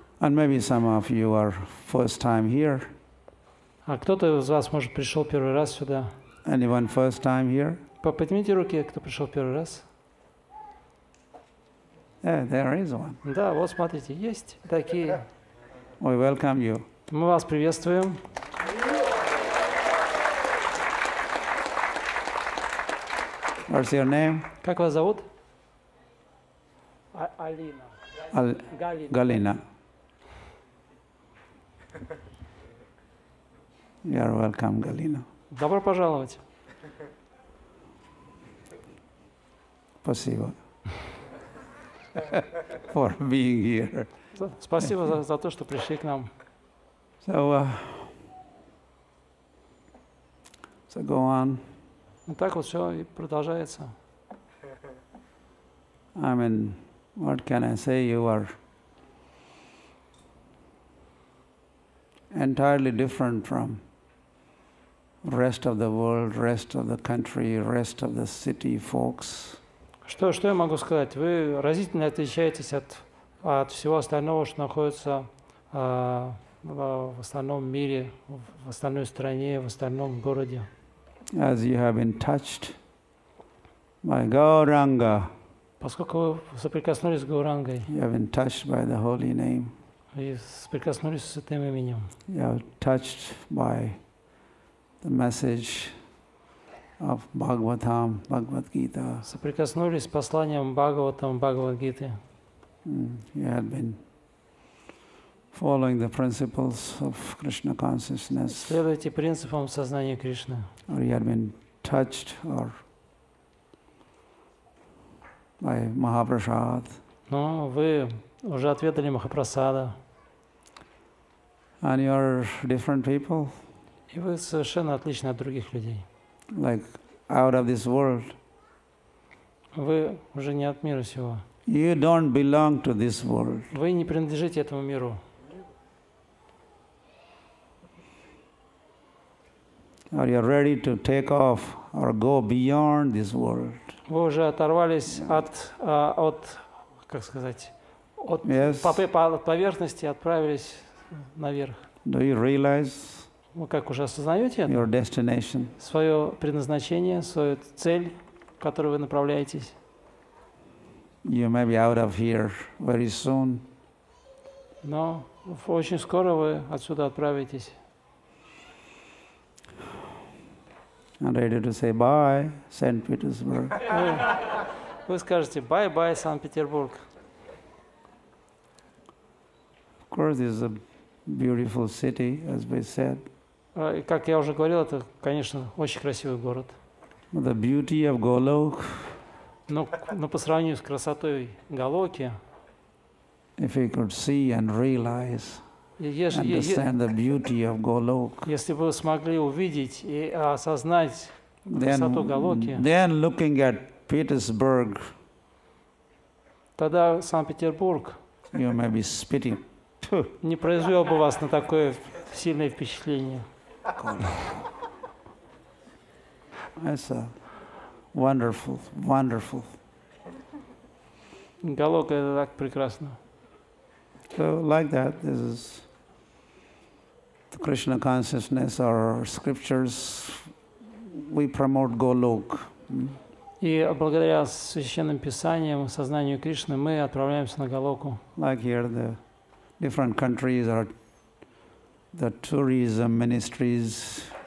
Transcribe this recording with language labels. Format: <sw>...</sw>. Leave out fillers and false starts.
<en>And maybe some of you are first time here.</en> <ru>А кто-то из вас, может, пришел первый раз сюда?</ru> <en>Anyone first time here?</en> <ru>Поднимите руки, кто пришел первый раз.</ru> <en>Yeah, there is one.</en> <ru>Да, вот смотрите, есть такие.</ru> <en>We welcome you.</en> <ru>Мы вас приветствуем.</ru> <en>What's your name?</en> <ru>Как вас зовут? Алина. Галина.</ru> <en>You are welcome, Галина.</en> <ru>Добро пожаловать. Спасибо.</ru> <en>For being here.</en> <ru>Спасибо за то, что пришли к нам.</ru> <en>So go on.</en> <ru>Так вот все и продолжается.</ru> <en>I mean, what can I say? You are entirely different from rest of the world, rest of the country, rest of the city folks.</en> <ru>Что я могу сказать? Вы разительно отличаетесь от всего остального, что находится в остальном мире, в остальной стране, в остальном городе.</ru> <en>As you have been touched by Gauranga.</en> <ru>Поскольку вы соприкоснулись с Гаурангой.</ru> <en>You have been touched by the holy name.</en> <ru>И соприкоснулись с святым именем.</ru> <en>You have touched by the message of Bhagavatam, Bhagavad Gita.</en> <ru>Соприкоснулись с посланием Бхагаватам, Бхагавад Гиты.</ru> <en>You had been following the principles of Krishna consciousness.</en> <ru>Следуйте принципам сознания Кришны.</ru> <en>Or you had been touched or by Mahaprasad.</en> <ru>Ну, вы уже отведали Махапрасада.</ru> <en>And you are different people.</en> <ru>И вы совершенно отличны от других людей.</ru> <en>Like out of this world.</en> <ru>Вы уже не от мира сего.</ru> <en>You don't belong to this world.</en> <ru>Вы не принадлежите этому миру.</ru> <en>Are you ready to take off or go beyond this world?</en> <ru>Вы уже оторвались от как сказать, от от поверхности, отправились наверх.</ru> <en>Do you realize?</en> <ru>Вы как уже осознаете</ru> <en>your destination.</en> <ru>Свое предназначение, свою цель, к которой вы направляетесь?</ru> <en>You may be out of here very soon.</en> <ru>Но очень скоро вы отсюда отправитесь.</ru> <en>and ready to say bye, Saint Petersburg.</en> <ru>Вы скажете</ru> <en>bye-bye,</en> <ru>Санкт-Петербург.</ru> <en>Of course, this is a beautiful city, as we said.</en> <ru>Как я уже говорил, это, конечно, очень красивый город.</ru> <en>The beauty of Golok.</en> <ru>Но по сравнению с красотой Голоки.</ru> <en>If we could see and realize. Understand the beauty of Golok.</en> <ru>Если бы вы смогли увидеть и осознать красоту Голоки.</ru> <en>Then looking at Petersburg.</en> <ru>Тогда Санкт-Петербург.</ru> <en>You may be spitting.</en> <ru>Не произвел бы вас на такое сильное впечатление.</ru> <en>That's a wonderful, wonderful.</en> <ru>Голок это так прекрасно.</ru> <en>So like that, this is. Krishna consciousness or scriptures, we promote Golok.</en> <ru>И благодаря священным писаниям, сознанию Кришны, мы отправляемся на Голоку.</ru> <en>Like here, the different countries are the tourism ministries.</en>